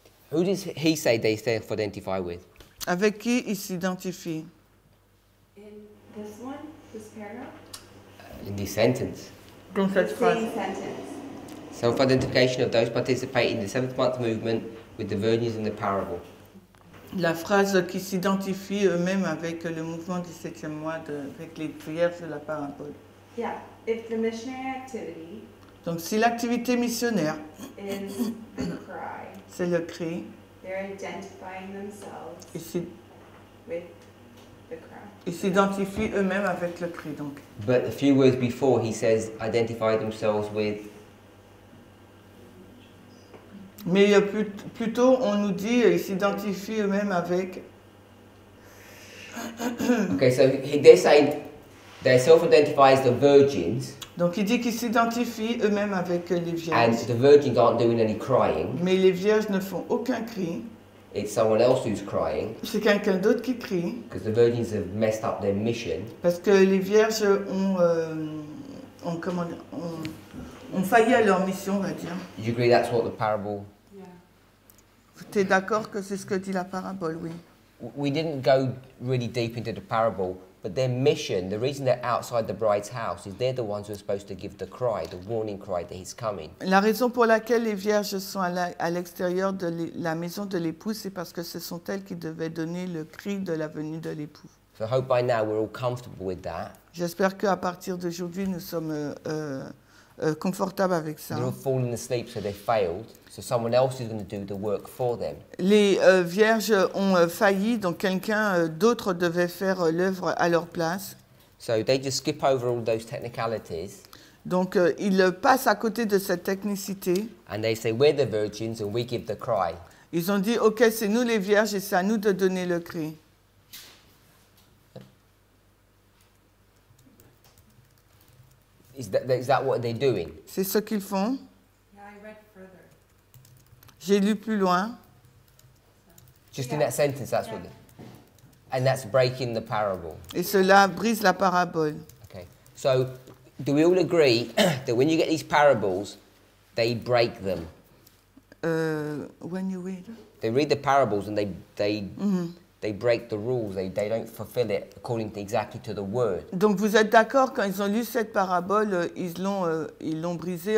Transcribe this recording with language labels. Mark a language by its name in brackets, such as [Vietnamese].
[English] Who does he say they self-identify with? [French] Avec qui ils s'identifient? [English] In this one, this paragraph. In this sentence. [French] Dans cette phrase. [English] Sentence. Self-identification of those participating in the seventh month movement with the virgins in the parable. [French] La phrase qui s'identifie eux-mêmes avec le mouvement du septième mois, de, avec les prières de la parabole. [English] Yeah, if the missionary activity. [French] Donc si l'activité missionnaire. [English] Is the cry. [French] C'est le cri. [English] They're identifying themselves. With the cry. [French] Ils s'identifient eux-mêmes avec le cri donc. [English] But a few words before, he says, identify themselves with. [French] Mais plutôt, on nous dit, ils s'identifient eux-mêmes avec. [English] Okay, so they say they self-identify as the virgins. [French] Donc, il dit qu'ils s'identifient eux-mêmes avec les vierges. [English] And the virgins aren't doing any crying. [French] Mais les vierges ne font aucun cri. [English] It's someone else who's crying. [French] C'est quelqu'un d'autre qui crie. [English] Because the virgins have messed up their mission. [French] Parce que les vierges ont failli à leur mission, on va dire. [English] You agree that's what the parable. [French] Tu es d'accord que c'est ce que dit la parabole, oui. [English] We didn't go really deep into the parable, but their mission, the reason they're outside the bride's house, is they're the ones who are supposed to give the cry, the warning cry that he's coming. [French] La raison pour laquelle les vierges sont à l'extérieur de la maison de l'époux, c'est parce que ce sont elles qui devaient donner le cri de la venue de l'époux. [English] So I hope by now we're all comfortable with that. [French] J'espère qu'à partir d'aujourd'hui, nous sommes confortable avec ça. [English] They're all falling asleep, so they failed. So someone else is going to do the work for them. [French] Les vierges ont failli, donc quelqu'un d'autre devait faire l'œuvre à leur place. [English] So they just skip over all those technicalities. [French] Donc ils passent à côté de cette technicité. [English] And they say we're the virgins and we give the cry. [French] Ils ont dit OK, c'est nous les vierges et c'est à nous de donner le cri. [English] Is that what they're doing? [French] C'est ce qu'ils font. [English] Yeah, I read further. [French] J'ai lu plus loin. [English] Just yeah. In that sentence, that's yeah. What. And that's breaking the parable. [French] Et cela brise la parabole. [English] Okay. So, do we all agree that when you get these parables, They break them. When you read? They read the parables and they break the rules. They don't fulfill it according to exactly to the word. [French] Donc vous êtes d'accord quand ils ont lu cette parabole, ils l'ont brisée.